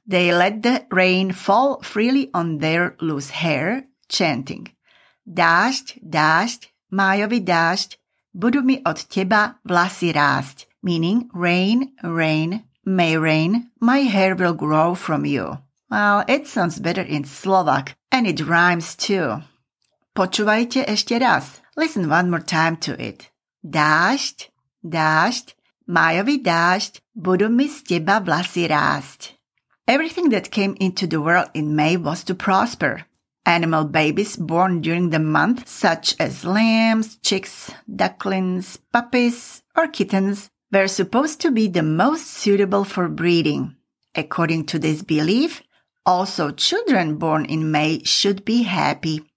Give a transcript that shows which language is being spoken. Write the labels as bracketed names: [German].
[English] They let the rain fall freely on their loose hair, chanting, [Slovak] Dášť, dášť, májovi dášť, budu mi od teba vlasy rásť, [English] meaning rain, rain, may rain, my hair will grow from you. Well, it sounds better in Slovak, and it rhymes too. [Slovak] Počúvajte ešte raz. [English] Listen one more time to it. [Slovak] Dášť, dášť, májovi dášť, budu mi z teba vlasy rásť. [English] Everything that came into the world in May was to prosper. Animal babies born during the month, such as lambs, chicks, ducklings, puppies, or kittens, were supposed to be the most suitable for breeding. According to this belief, also children born in May should be happy.